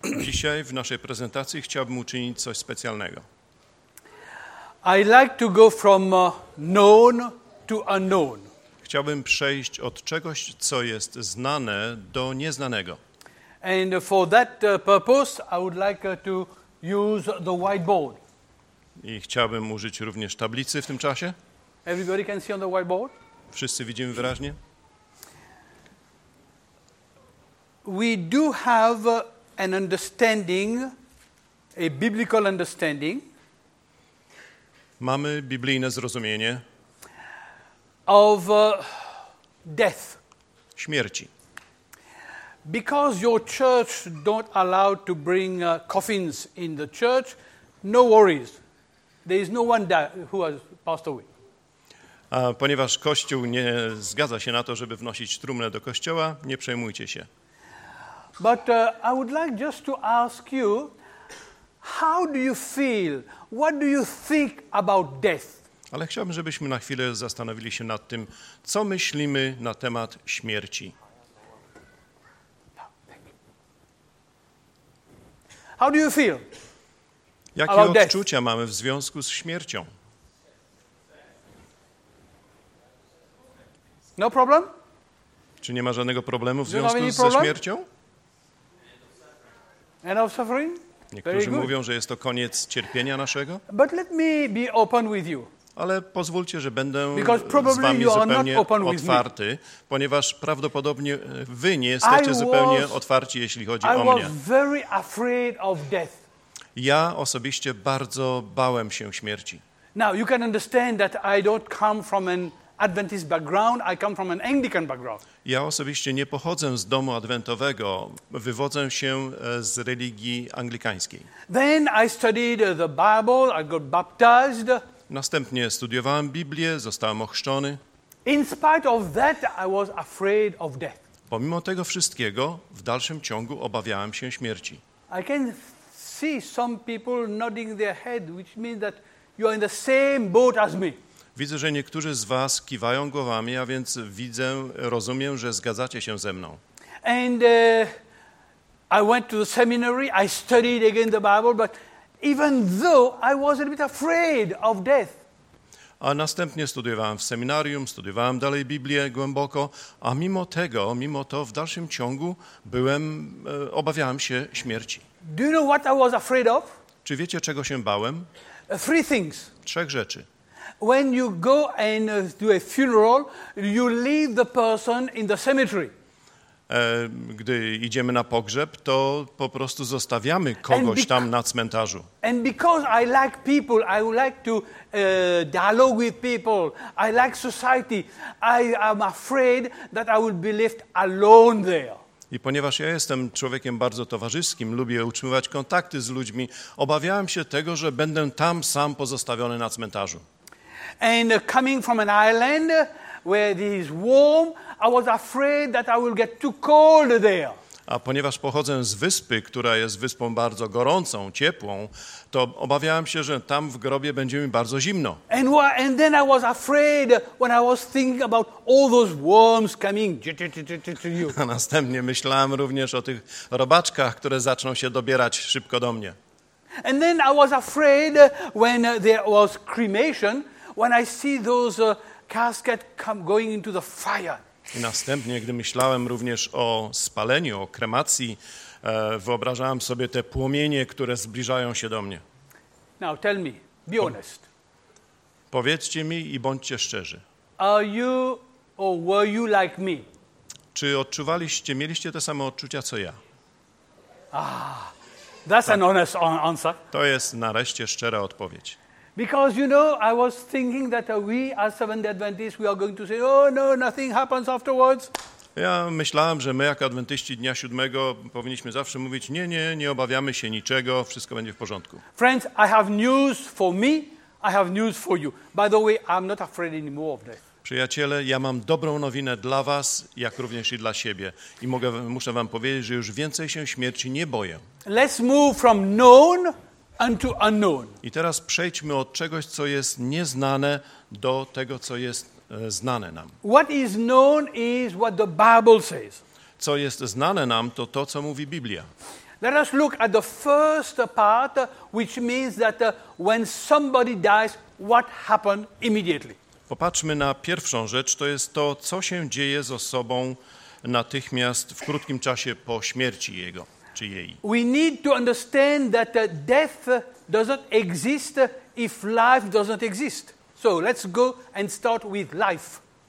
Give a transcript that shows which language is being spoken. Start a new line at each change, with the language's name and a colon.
Polish: Dzisiaj w naszej prezentacji chciałbym uczynić coś specjalnego.
English: I like to go from known to unknown.
Polish: Chciałbym przejść od czegoś, co jest znane, do nieznanego.
English: And for that purpose, I would like to use the whiteboard.
Polish: I chciałbym użyć również tablicy w tym czasie.
English: Everybody can see on the whiteboard?
Polish: Wszyscy widzimy wyraźnie.
English: We do have an understanding, a biblical understanding.
Polish: Mamy biblijne zrozumienie.
English: Of death.
Polish: Śmierci.
English: Because your church don't allow to bring coffins in the church, no worries. There is no one who has passed away.
Polish: A ponieważ Kościół nie zgadza się na to, żeby wnosić trumnę do kościoła, nie przejmujcie się.
English: But I would like just to ask you, how do you feel? What do you think about death?
Polish: Ale chciałbym, żebyśmy na chwilę zastanowili się nad tym, co myślimy na temat śmierci.
English: How do you feel?
Polish: Jakie
English: about
Polish: odczucia
English: death?
Polish: Mamy w związku z śmiercią?
English: No problem?
Polish: Czy nie ma żadnego problemu w związku ze śmiercią?
English: End of suffering?
Polish: Niektórzy mówią, że jest to koniec cierpienia naszego.
English: But let me be open with you.
Polish: Ale pozwólcie, że będę z wami zupełnie otwarty, ponieważ prawdopodobnie wy nie jesteście zupełnie otwarci, jeśli chodzi o mnie.
English: Very afraid of death.
Polish: Ja osobiście bardzo bałem się śmierci.
English: Now you can understand that I don't come from an Adventist background, I come from an Anglican background.
Polish: Ja osobiście nie pochodzę z domu adwentowego, wywodzę się z religii anglikańskiej.
English: Then I studied the Bible, I got baptized.
Polish: Następnie studiowałem Biblię, zostałem ochrzczony.
English: In spite of that, I was afraid of death.
Polish: Pomimo tego wszystkiego, w dalszym ciągu obawiałem się śmierci.
English: I can see some people nodding their head, which means that you are in the same boat as me.
Polish: Widzę, że niektórzy z was kiwają głowami, a więc widzę, rozumiem, że zgadzacie się ze mną.
English: And I went to the seminary, I studied again the Bible, but even though I was a bit afraid of death.
Polish: A następnie studiowałem w seminarium, studiowałem dalej Biblię głęboko, a mimo to w dalszym ciągu obawiałem się śmierci.
English: Do you know what I was afraid of?
Polish: Czy wiecie, czego się bałem?
English: Three things.
Polish: Trzech rzeczy.
English: When you go and do a funeral, you leave the person in the cemetery.
Polish: Gdy idziemy na pogrzeb, to po prostu zostawiamy kogoś tam na cmentarzu.
English: And because I like people, I like to dialogue with people. I like society. I am afraid that I will be left alone there.
Polish: I ponieważ ja jestem człowiekiem bardzo towarzyskim, lubię utrzymywać kontakty z ludźmi, obawiałem się tego, że będę tam sam pozostawiony na cmentarzu.
English: And coming from an island where it is warm, I was afraid that I will get too cold there.
Polish: A ponieważ pochodzę z wyspy, która jest wyspą bardzo gorącą, ciepłą, to obawiałem się, że tam w grobie będzie mi bardzo zimno.
English: And then I was afraid when I was thinking about all those worms coming to you.
Polish: A następnie myślałem również o tych robaczkach, które zaczną się dobierać szybko do mnie.
English: And then I was afraid when there was cremation, when I see those casket come going into the fire.
Polish: I następnie, gdy myślałem również o spaleniu, o kremacji, wyobrażałem sobie te płomienie, które zbliżają się do mnie.
English: Now tell me, be honest.
Polish: Powiedzcie mi i bądźcie szczerzy.
English: Are you or were you like me?
Polish: Czy odczuwaliście, mieliście te same odczucia co ja?
English: Ah, That's an honest answer.
Polish: To jest nareszcie szczera odpowiedź.
English: Because you know, I was thinking that we as Seventh-day Adventists, we are going to say, oh no, nothing happens afterwards.
Polish: Ja myślałem, że my jako Adwentyści Dnia Siódmego powinniśmy zawsze mówić, nie, nie, nie obawiamy się niczego, wszystko będzie w porządku.
English: Friends, I have news for me, I have news for you. By the way, I'm not afraid anymore of death.
Polish: Przyjaciele, ja mam dobrą nowinę dla was, jak również i dla siebie. I mogę, muszę wam powiedzieć, że już więcej się śmierci nie boję.
English: Let's move from known unto unknown.
Polish: I teraz przejdźmy od czegoś, co jest nieznane, do tego, co jest znane nam.
English: What is known is what the Bible says.
Polish: Co jest znane nam, to to, co mówi Biblia.
English: Let us look at the first part, which means that when somebody dies, what happens immediately.
Polish: Popatrzmy na pierwszą rzecz, to jest to, co się dzieje z osobą natychmiast w krótkim czasie po śmierci jego czy jej.
English: We need to understand that death doesn't exist if life doesn't exist. So let's go and start with life.